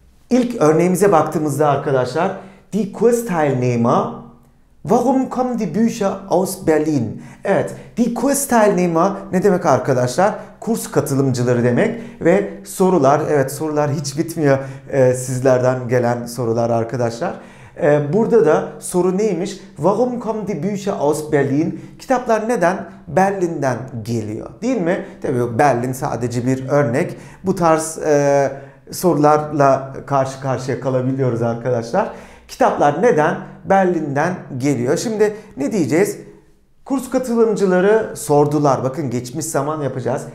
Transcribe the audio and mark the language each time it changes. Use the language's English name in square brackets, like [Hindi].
[Turkish] İlk örneğimize baktığımızda arkadaşlar, [German] die Kursteilnehmer, warum kommen die Bücher aus Berlin? [Turkish] Evet, die Kursteilnehmer ne demek arkadaşlar? Kurs katılımcıları demek ve sorular, evet sorular hiç bitmiyor sizlerden gelen sorular arkadaşlar. Burada da soru neymiş? [German] Warum kommen die Bücher aus Berlin? [Turkish] Kitaplar neden Berlin'den geliyor? Değil mi? Tabii Berlin sadece bir örnek. Bu tarz sorularla karşı karşıya kalabiliyoruz arkadaşlar. Kitaplar neden Berlin'den geliyor? Şimdi ne diyeceğiz? Kurs katılımcıları sordular. Bakın geçmiş zaman yapacağız.